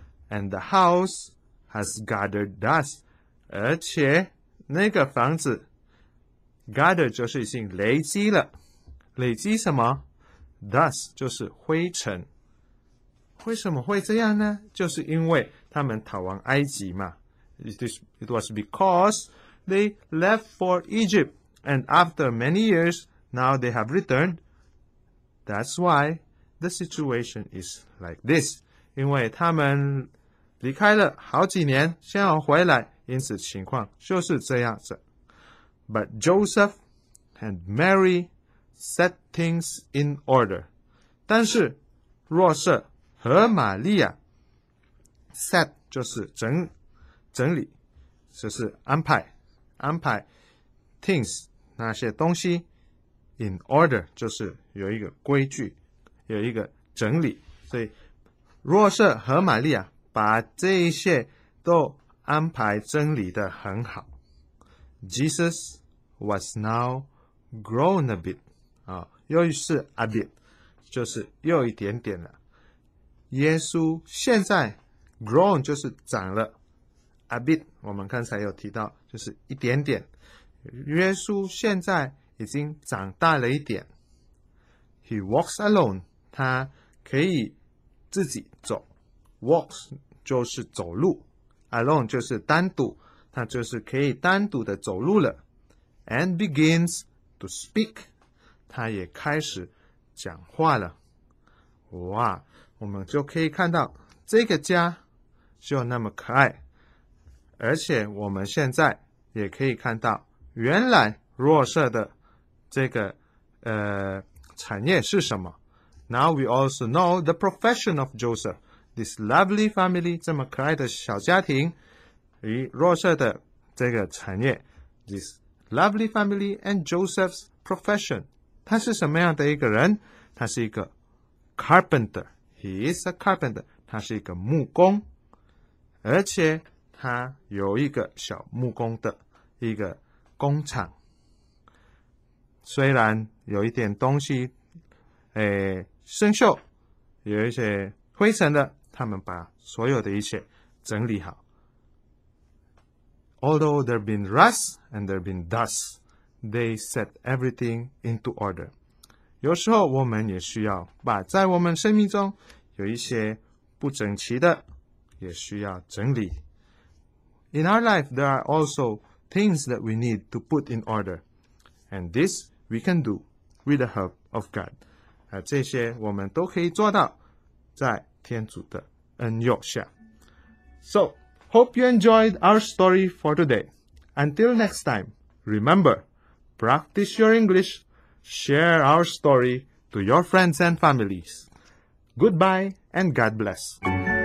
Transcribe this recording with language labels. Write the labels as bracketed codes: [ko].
[en] And the house has gathered dust， [zh] 而且那个房子 gather 就是已经累积了，累积什么 ？Dust 就是灰尘。为什么会这样呢？就是因为他们逃亡埃及嘛。 [en] It was because they left for Egypt, and after many years, now they have returned. That's why the situation is like this. [zh] 因为他们离开了好几年，现在回来，因此情况就是这样子。 [en] But Joseph and Mary set things in order. [zh] 但是若瑟和玛利亚 set 就是整理就是安排 things 那些东西 [en] in order [zh] 就是有一个规矩有一个整理所以若瑟和玛利亚把这一些都安排整理得很好 [en] Jesus was now grown a bit、 [zh] 哦、又是 a bit 就是又一点点了耶稣现在 grown 就是长了A bit, 我们刚才有提到就是一点点。耶稣现在已经长大了一点。 [en] He walks alone, [zh] 他可以自己走。 Walks 就是走路。 Alone 就是单独他就是可以单独的走路了。 [en] And begins to speak, [zh] 他也开始讲话了。哇我们就可以看到这个家就那么可爱。而且我们现在也可以看到原来若瑟的这个产业是什么。 [en] Now we also know the profession of Joseph. This lovely family, [zh] 这么可爱的小家庭与若瑟的这个产业。 [en] This lovely family and Joseph's profession. [zh] 他是什么样的一个人？他是一个 carpenter. [en] He is a carpenter. [zh] 他是一个木工。而且他有一个小木工的一个工厂虽然有一点东西生锈有一些灰尘的他们把所有的一切整理好 [en] Although there been rust and there been dust they set everything into order [zh] 有时候我们也需要把在我们生命中有一些不整齐的也需要整理 [en] In our life, there are also things that we need to put in order. And this we can do with the help of God. [zh] 这些我们都可以做到在天主的恩佑下。 [en] So, hope you enjoyed our story for today. Until next time, remember, practice your English, share our story to your friends and families. Goodbye and God bless.